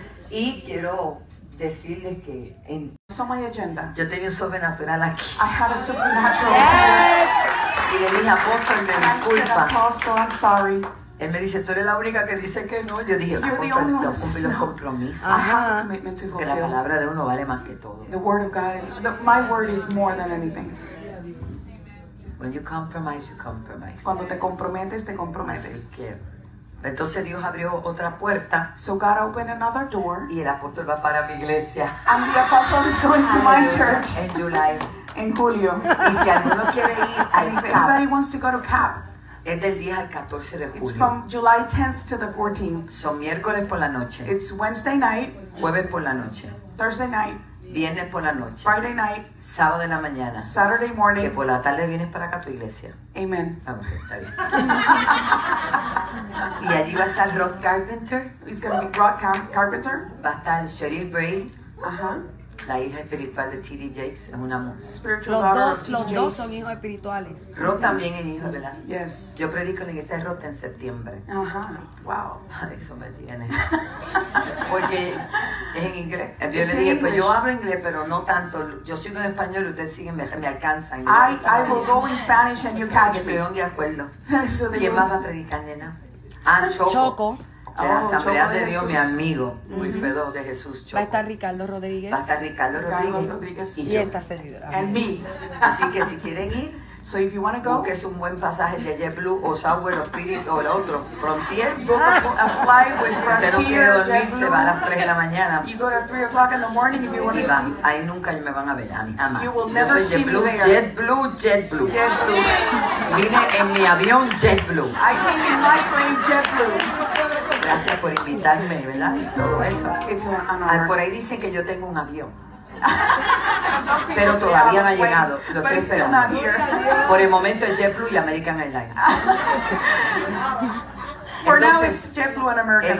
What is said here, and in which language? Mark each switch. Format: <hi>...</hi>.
<es>Y quiero decirles que en</es> <en>my agenda.</en> <es>Yo tenía un sobrenatural aquí.</es> <en>I had a supernatural. Yes.</en> <es>Y le dije, apóstol, me disculpa.</es> <en>Apostle, I'm sorry.</en> <es>Él me dice, tú eres la única que dice que no. Yo dije, apóstol, yo cumplí los compromisos. Que la palabra de uno vale más que todo.</es> <en>The word of God is, my word is more than anything. When you compromise, you compromise.</en> <es>Cuando te comprometes, te comprometes. Así que, entonces Dios abrió otra puerta.</es> <en>So God opened another door.</en> <es>Y el apóstol va para mi iglesia.</es> <en>And the apostle is going to my church.</en> <es>En July. En julio. Y si alguno quiere ir al CAP.</es> <en>If anybody wants to go to CAP.</en> <es>Es del 10 al 14 de julio.</es> <en>It's from July 10th to the 14th.</en> <es>Son miércoles por la noche.</es> <en>It's Wednesday night.</en> <es>Jueves por la noche.</es> <en>Thursday night.</en> <es>Viernes por la noche.</es> <en>Friday night.</en> <es>Sábado de la mañana.</es> <en>Saturday morning.</en> <es>Que por la tarde vienes para acá a tu iglesia. Amen. Vamos, está bien. Y allí va a estar Rod Carpenter.</es> <en>It's going to be Rod Carpenter.</en> <es>Va a estar Cheryl Bray. Ajá. La hija espiritual de T.D. Jakes es una mujer. Los dos son hijos espirituales. Ro también es hijo, ¿verdad?</es> <en>Yes.</en> <es>Yo predico en la iglesia de Ro en septiembre. Ajá. Wow. Eso me tiene. Porque es en inglés. Yo le dije, pues yo hablo inglés, pero no tanto. Yo sigo en español y ustedes siguen, me alcanzan.</es> <en>I will go in Spanish and you catch me.</en> <es>Estoy de acuerdo. ¿Quién más va a predicar, nena? Ah, Choco. Choco. De la Asamblea de Dios, Jesús. Mi amigo, Wilfredo de Jesús Choco. Va a estar Ricardo Rodríguez. Va a estar Ricardo Rodríguez. Y esta servidora.</es> <en>And me.</en> <es>Así que si quieren ir,</es> <en>so if you want to go,</en> <es>busque un buen pasaje de JetBlue o Southwest, Spirit o el otro. Frontier.</es> <en>A flight with</en> <es>si usted no quiere dormir, se va a las 3 de la mañana.</es> <en>You go to 3 o'clock in the morning if you want to see.</en> <es>Y va, ahí nunca me van a ver a mí, jamás.</es> <en>You will never</en> <es>yo soy JetBlue, JetBlue, JetBlue. JetBlue. Vine en mi avión JetBlue.</es> <en>I came in my plane JetBlue.</en> <es>Gracias por invitarme, ¿verdad? Y todo eso. Por ahí dicen que yo tengo un avión. Pero todavía no ha llegado. Lo estoy esperando. Por el momento es JetBlue y American Airlines. Por ahora es JetBlue y American Airlines.</es>